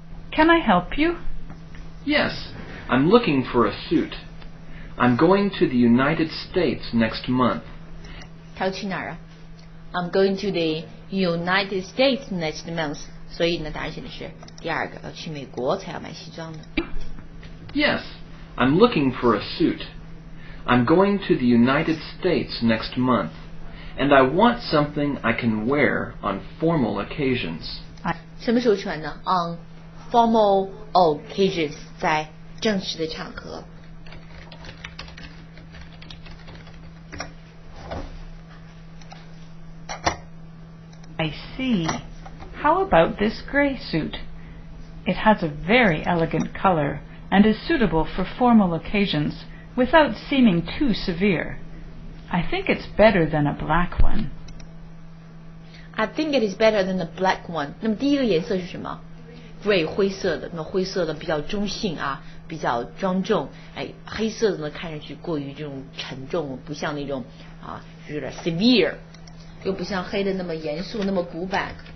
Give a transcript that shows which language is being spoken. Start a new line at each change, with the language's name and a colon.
English: Can I help you? Yes, I'm looking for a suit. I'm going to the United States next month.
Chinese: 他要去哪儿啊？
English: I'm going to the United States next month.
Chinese: 所以呢，答案选的是第二个，要去美国才要买西装的。
English: Yes, I'm looking for a suit. I'm going to the United States next month. And I want something I can wear on formal occasions.
Chinese: 什么时候穿呢？
English: On formal occasions，
Chinese: 在正式的场合。
English: I see. How about this gray suit? It has a very elegant color and is suitable for formal occasions without seeming too severe. I think it's better than a black one. I think it is better than the black one.
Chinese: 那么第一个颜色是什么 ？Gray 灰色的。那么灰色的比较中性啊，比较庄重。哎，黑色的呢看上去过于这种沉重，不像那种啊，有点 severe， 又不像黑的那么严肃，那么古板。